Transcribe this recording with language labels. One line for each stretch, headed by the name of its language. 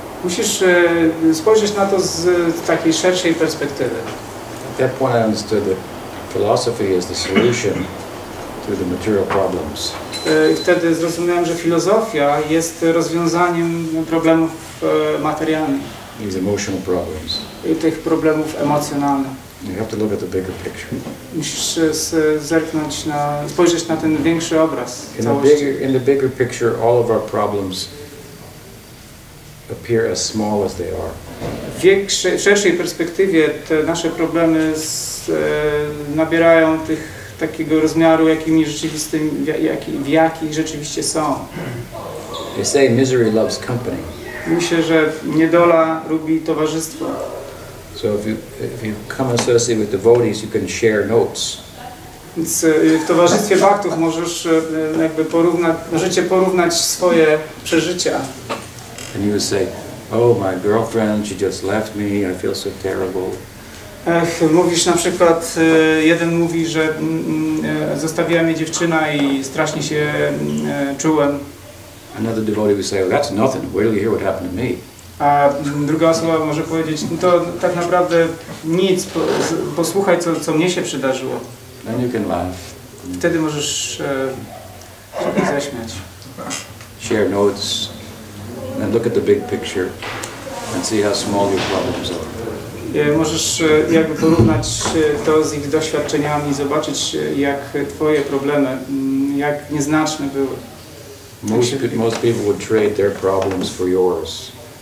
Polish: Musisz spojrzeć na to z takiej szerszej perspektywy.
English: At that point, I understood that philosophy is the solution. The material problems.
Polish: I wtedy zrozumiałem, że filozofia jest rozwiązaniem problemów materialnych.
English: These emotional problems.
Polish: I tych problemów emocjonalnych.
English: You have to look at the bigger picture.
Polish: Musisz zerknąć na, spojrzeć na ten większy obraz.
English: In the bigger picture, all of our problems appear as small as they are.
Polish: W szerszej perspektywie te nasze problemy nabierają tych takiego rozmiaru, jakimi rzeczywistym, jaki rzeczywiście są.
English: They say misery loves company.
Polish: Myślę, że niedola lubi towarzystwo.
English: So if you come associated with devotees, you can share notes.
Polish: Więc w towarzystwie bhaktów możesz jakby porównać swoje przeżycia.
English: And you would say, oh, my girlfriend, she just left me, I feel so terrible.
Polish: Mówisz na przykład, jeden mówi, że zostawiła mnie dziewczyna i strasznie się czułem.
English: Another devotee would say, well, that's nothing. Wait till you hear what happened to me.
Polish: A druga osoba może powiedzieć, no to tak naprawdę nic, posłuchaj, co mnie się przydarzyło.
English: Then you can laugh.
Polish: Wtedy możesz się zaśmiać.
English: Share notes and look at the big picture and see how small your problems are.
Polish: Możesz jakby porównać to z ich doświadczeniami, zobaczyć, jak twoje problemy, jak nieznaczne były.
English: Most people would trade their problems for yours.